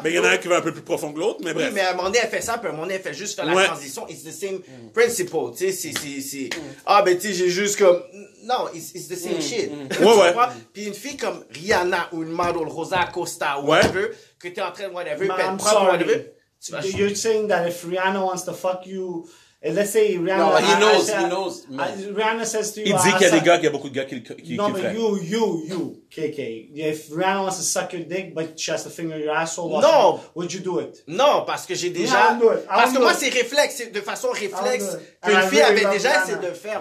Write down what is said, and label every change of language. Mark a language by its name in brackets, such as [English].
[French] Mais il y en a un qui va un peu plus profond que l'autre, mais bref. Oui, mais à un moment donné, elle fait ça, puis à un moment donné, elle fait juste faire la transition. [English] It's the same principle, [French] tu sais, c'est... Mm. Ah, ben tu sais, j'ai juste comme... [English] Non, it's the same shit. [French] Mm. ouais. Puis une fille comme Rihanna ou une model Rosa Acosta ou whatever, que t'es en train de whatever, puis elle prend whatever... [English] You're saying that if Rihanna wants to fuck you... And let's say Rihanna... No, he knows. Rihanna says to you... [French] Il dit qu'il y a des gars, il y a beaucoup de gars qui le [English] feraient. No, but you, KK. If Rihanna wants to suck your dick, but she has to finger your asshole... No! Would you do it? [French] Non, parce que j'ai déjà... Parce que moi, c'est réflexe. C'est de façon réflexe qu'une fille avait déjà essayé de faire.